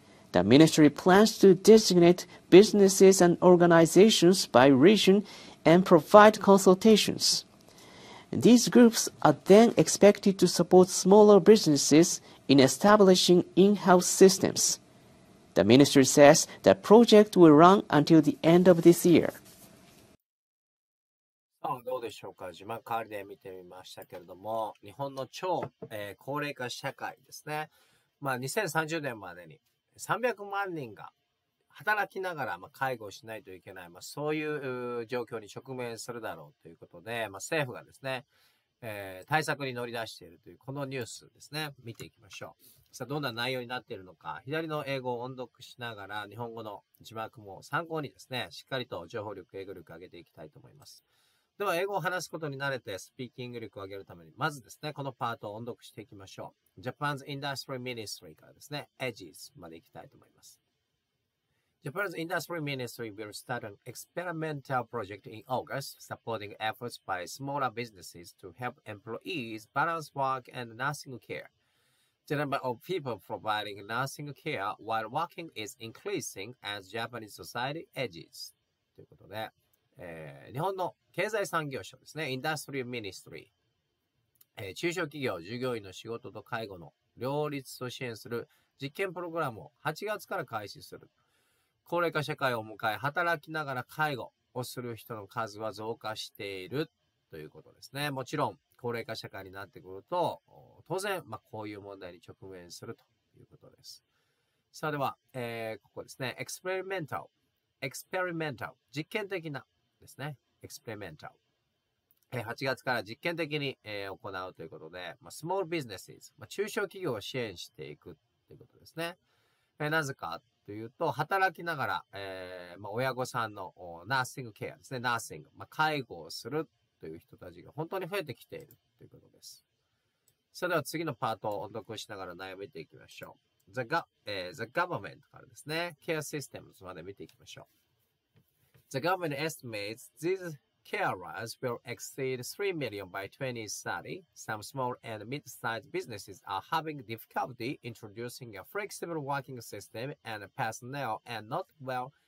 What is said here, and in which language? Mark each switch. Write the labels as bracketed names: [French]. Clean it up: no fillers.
[English] The ministry plans to designate businesses and organizations by region and provide consultations. These groups are then expected to support smaller businesses in establishing in-house systems. The ministry says the project will run until the end of this year. [Japanese] どうでしょうか。字幕代わりで見てみましたけれども、日本の超、高齢化社会ですね、まあ、2030年までに300万人が働きながら、まあ、介護をしないといけない、まあ、そういう状況に直面するだろうということで、まあ、政府がですね、対策に乗り出しているというこのニュースですね、見ていきましょう。さあ、どんな内容になっているのか、左の英語を音読しながら日本語の字幕も参考にですね、しっかりと情報力、英語力上げていきたいと思います。では英語を話すことに慣れてスピーキング力を上げるために、まずですね、このパートを音読していきましょう。 [English] Japan's Industry Ministry [Japanese] からですね、 Edges までいきたいと思います。 [English] Japan's Industry Ministry will start an experimental project in August supporting efforts by smaller businesses to help employees balance work and nursing care. The number of people providing nursing care while working is increasing as Japanese society ages. [Japanese] ということで、日本の経済産業省ですね、インダストリーミニストリー、中小企業、従業員の仕事と介護の両立を支援する実験プログラムを8月から開始する。高齢化社会を迎え、働きながら介護をする人の数は増加しているということですね。もちろん高齢化社会になってくると当然、まあ、こういう問題に直面するということです。さあ、では、ここですね、エクスペリメンタル、実験的なですね、エクスペリメンタル、8月から実験的に、行うということで、まあ、スモールビジネス、まあ、中小企業を支援していくということですね。なぜかというと、働きながら、まあ、親御さんのナーシングケアですね、ナーシング、まあ、介護をするという人たちが本当に増えてきているということです。それでは次のパートを音読しながら悩みていきましょう。 [English] The government [Japanese] からですね、ケアシステムまで見ていきましょう。 [English] The government estimates these carers will exceed 3 million by 2030. Some small and mid-sized businesses are having difficulty introducing a flexible working system, and personnel are not well